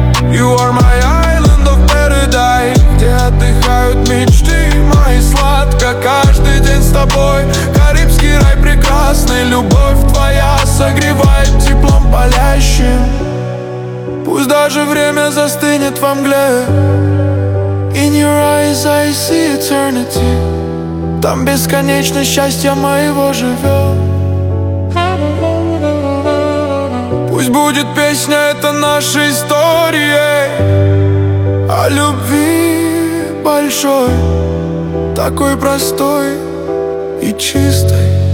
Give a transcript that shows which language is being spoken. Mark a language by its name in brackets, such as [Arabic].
[English] You are my island of paradise. [Russian] Где отдыхают мечты мои сладко. Каждый день с тобой. Карибский рай прекрасный. Любовь твоя согревает теплом палящим. Пусть даже время застынет во мгле. [English] In your eyes I see eternity. [Russian] Там бесконечное счастье моего живет. Пусть будет песня эта нашей историей, о любви большой, такой простой и чистой.